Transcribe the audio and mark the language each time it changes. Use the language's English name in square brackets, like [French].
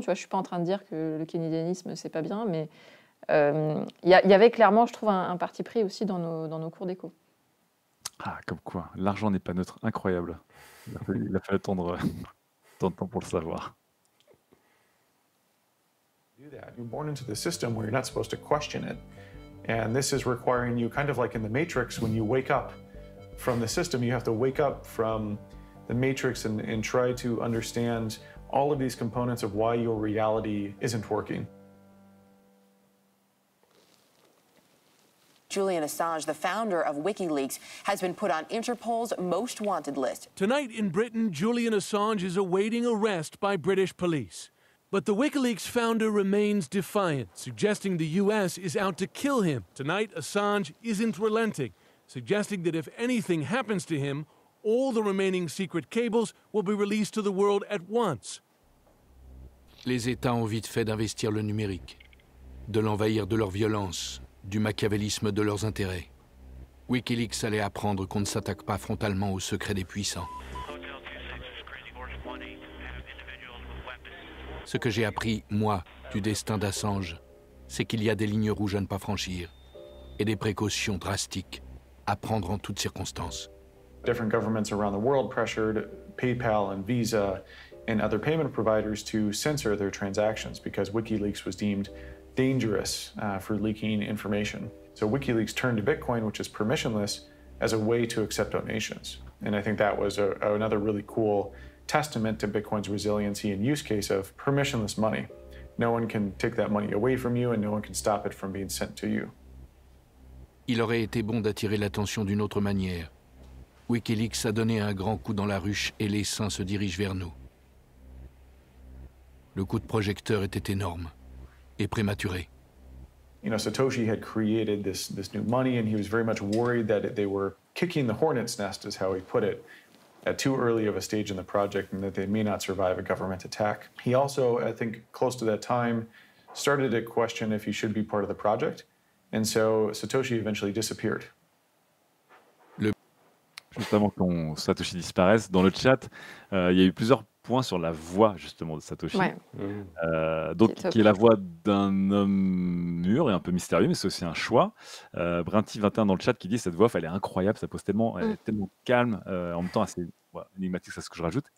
[French] Tu vois, je ne suis pas en train de dire que le keynésianisme, ce n'est pas bien, mais il y avait clairement, je trouve, un parti pris aussi dans nos cours d'éco. Ah, comme quoi, l'argent n'est pas neutre, incroyable. Il a fallu attendre tant de temps pour le savoir. [English] You're born into the system where you're not supposed to question it. And this is requiring you, kind of like in the Matrix, when you wake up from the system, you have to wake up from the matrix and try to understand all of these components of why your reality isn't working. Julian Assange, the founder of WikiLeaks, has been put on Interpol's most wanted list. Tonight in Britain, Julian Assange is awaiting arrest by British police. But the WikiLeaks founder remains defiant, suggesting the US is out to kill him. Tonight, Assange isn't relenting, suggesting that if anything happens to him, all the remaining secret cables will be released to the world at once. [French] Les États ont vite fait d'investir le numérique, de l'envahir de leur violence, du machiavélisme de leurs intérêts. WikiLeaks allait apprendre qu'on ne s'attaque pas frontalement aux secrets des puissants. Ce que j'ai appris, moi, du destin d'Assange, c'est qu'il y a des lignes rouges à ne pas franchir et des précautions drastiques à prendre en toutes circonstances. [English] Different governments around the world pressured PayPal and Visa and other payment providers to censor their transactions because WikiLeaks was deemed dangerous for leaking information. So WikiLeaks turned to Bitcoin, which is permissionless, as a way to accept donations. And I think that was another really cool testament to Bitcoin's resiliency and use case of permissionless money. No one can take that money away from you and no one can stop it from being sent to you. [French] Il aurait été bon d'attirer l'attention d'une autre manière. WikiLeaks a donné un grand coup dans la ruche et les saints se dirigent vers nous. Le coup de projecteur était énorme et prématuré. [English] You know, Satoshi had created this new money and he was very much worried that they were kicking the hornet's nest, is how he put it, at too early of a stage in the project and that they may not survive a government attack. He also, I think, close to that time, started to question if he should be part of the project. And so Satoshi eventually disappeared. [French] Juste avant que Satoshi disparaisse, dans le chat, il y a eu plusieurs points sur la voix justement de Satoshi. Ouais. Donc, qui est la voix d'un homme mûr et un peu mystérieux, mais c'est aussi un choix. Brinty21 dans le chat qui dit cette voix, elle est incroyable, ça pose tellement, elle est tellement calme, en même temps assez énigmatique, c'est ce que je rajoute.